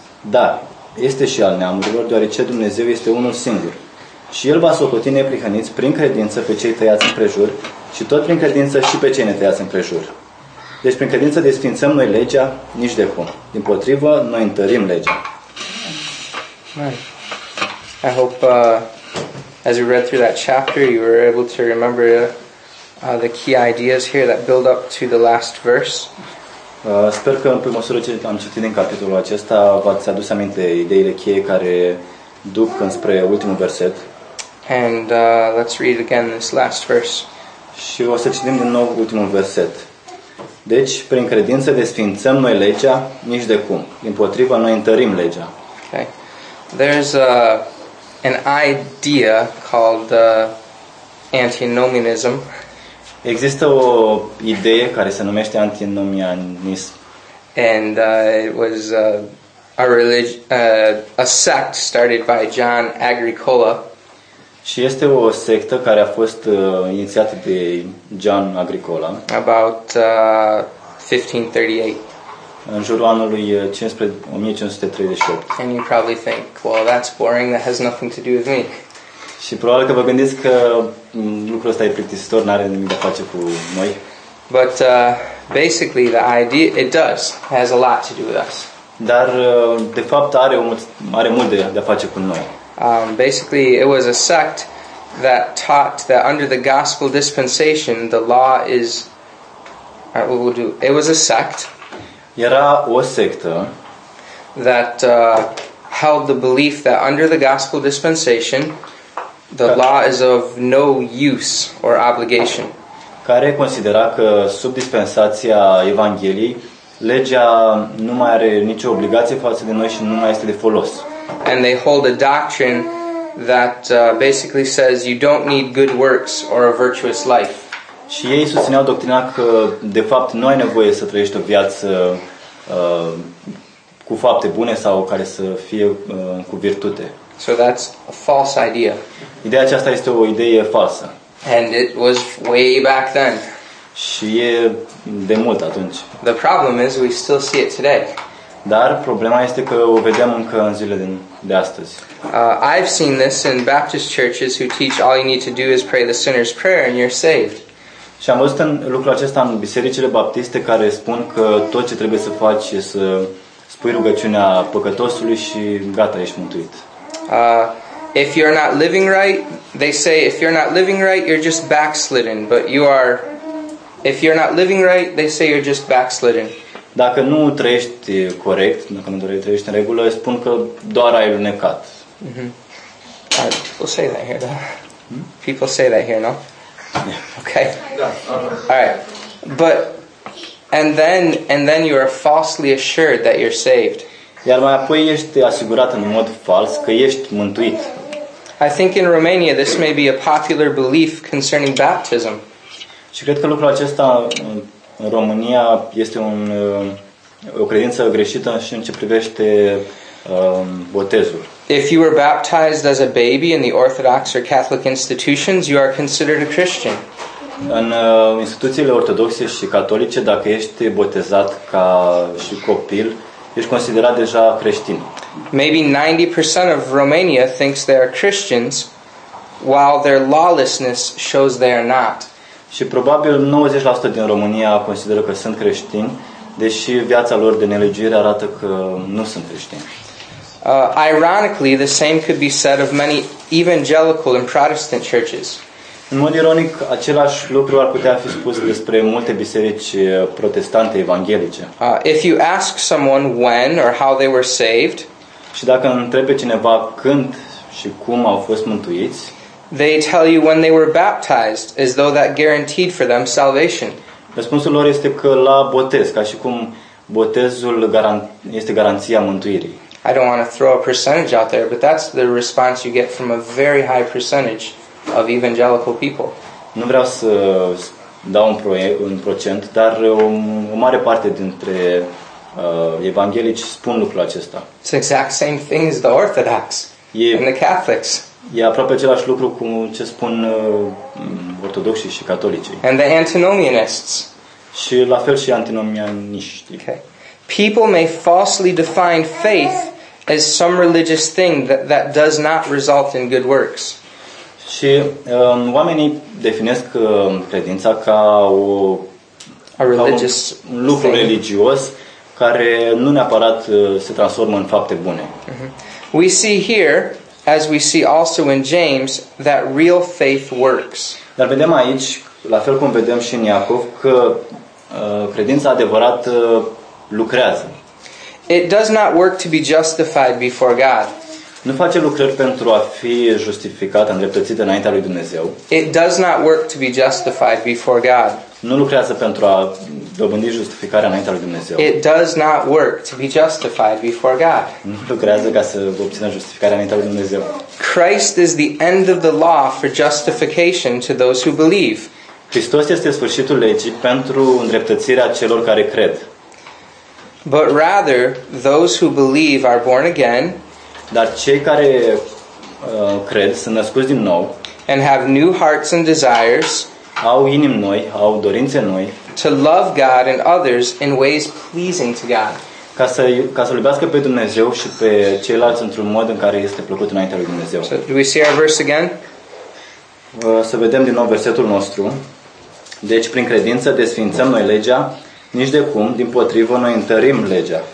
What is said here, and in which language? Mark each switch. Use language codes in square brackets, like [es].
[ro] Da, este și al neamurilor, deoarece Dumnezeu este unul singur. Și El va socoti neprihăniți prin credință pe cei tăiați împrejur și tot prin credință și pe cei netăiați împrejur. Deci prin credință desfințăm noi legea? Nici de cum. Dimpotrivă, noi întărim legea. [en] I hope as you read through that chapter you were able to remember the key ideas here that build up to the last verse. [ro] Sper că, pe măsură ce am citit din capitolul acesta, v-ați adus aminte ideile cheie care duc înspre ultimul verset. [en] And let's read again this last verse. [ro] Și o să citim din nou ultimul verset. Deci, prin credință desfințăm noi legea? Nici de cum. Dimpotrivă, noi întărim legea. [en] Okay. There's an idea called antinomianism. [ro] Există o idee care se numește antinomianism. [en] And it was a religion, a sect started by John Agricola. [ro] Și este o sectă care a fost inițiată de John Agricola. [en] About 1538. [ro] În jurul anului 1538. [en] And you probably think, well, that's boring, that has nothing to do with me. [ro] Și probabil că vă gândiți că lucrul ăsta e plictisitor, n-are nimic de face cu noi. [en] But basically the idea it does has a lot to do with us. [ro] Dar de fapt are mult de face cu noi. [en] Basically it was a sect that taught that under the gospel dispensation the law is what we'll do. It was a sect. [ro] Era o sectă [en] that held the belief that under the gospel dispensation the law is of no use or obligation. [ro] Care considera că sub dispensația Evangheliei legea nu mai are nicio obligație față de noi și nu mai este de folos. [en] And they hold a doctrine that basically says you don't need good works or a virtuous life. [ro] Și ei susțineau doctrina că de fapt nu ai nevoie să trăiești o viață cu fapte bune sau care să fie cu virtute. [en] So that's a false idea. [ro] Ideea aceasta este o idee falsă. [en] And it was way back then. [ro] Și e de mult atunci. [en] The problem is we still see it today. [ro] Dar problema este că o vedem încă în zilele de astăzi. [en] I've seen this in Baptist churches who teach all you need to do is pray the sinner's prayer and you're saved. [ro] Și am văzut lucrul acesta în bisericile baptiste care spun că tot ce trebuie să faci e să spui rugăciunea păcătosului și gata, ești mântuit. [en] If you're not living right, they say if you're not living right, you're just backslidden, but you are if you're not living right, they say you're just backslidden. [ro] Dacă nu trăiești corect, dacă nu trăiești în regulă, spun că doar ai lunecat. [en] Mm-hmm. People say that here, though. People say that here, no? Yeah. Okay. Yeah. All right. But and then you are falsely assured that you're saved. [ro] Iar mai apoi ești asigurat în mod fals că ești mântuit. [en] I think in Romania this may be a popular belief concerning baptism. [ro] Și cred că lucrul acesta în România este o credință greșită și în ce privește botezul. [en] If you were baptized as a baby in the Orthodox or Catholic institutions, you are considered a Christian. [ro] În instituțiile ortodoxe și catolice, dacă ești botezat ca și copil, ești considerat deja creștin. [en] Maybe 90% of Romania thinks they are Christians, while their lawlessness shows they are not. [ro] Și probabil 90% din România consideră că sunt creștini, deși viața lor de nelegiuire arată că nu sunt creștini. [en] Ironically, the same could be said of many evangelical and Protestant churches. [ro] În mod ironic, același lucru ar putea fi spus despre multe biserici protestante evanghelice. [en] If you ask someone when or how they were saved, [ro] și dacă întrebi cineva când și cum au fost mântuiți, [en] they tell you when they were baptized, as though that guaranteed for them salvation. [ro] Răspunsul lor este că la botez, ca și cum botezul este garanția mântuirii. [en] I don't want to throw a percentage out there, but that's the response you get from a very high percentage of evangelical people. [ro] Nu vreau să dau un procent, dar o mare parte dintre evanghelici spun lucrul acesta. [en] It's the exact same thing as the Orthodox and the Catholics. [ro] E aproape același lucru cu ce spun ortodoxii și catolicii. [en] And the antinomianists. [ro] Și la fel și antinomianiștii. [en] Okay. People may falsely define faith as some religious thing that does not result in good works. [ro] Și oamenii definesc credința ca un lucru [en] thing. [ro] Religios care nu neapărat se transformă în fapte bune. [en] We see here, as we see also in James, that real faith works. [ro] Dar vedem aici, la fel cum vedem și în Iacov, că Credința adevărată lucrează. [en] It does not work to be justified before God. [ro] Nu face lucrări pentru a fi justificat, îndreptățit înaintea lui Dumnezeu. [en] It does not work to be justified before God. [ro] Nu lucrează pentru a dobândi justificarea înaintea lui Dumnezeu. [en] It does not work to be justified before God. [ro] Nu lucrează ca să obțină justificarea înaintea lui Dumnezeu. [en] Christ is the end of the law for justification to those who believe. [ro] Hristos este sfârșitul legii pentru îndreptățirea celor care cred. [en] But rather, those who believe are born again. [ro] Dar cei care cred sunt născuți din nou. [en] And have new hearts and desires. [ro] Au inimi noi, au dorințe noi. [en] To love God and others in ways pleasing to God. [ro] Ca să iubească pe Dumnezeu și pe ceilalți într-un mod în care este plăcut înaintea lui Dumnezeu. [en] So, do we see our verse again? [ro] Să vedem din nou versetul nostru. Deci prin credință desfințăm noi legea, nici de cum, dimpotrivă, noi întărim legea.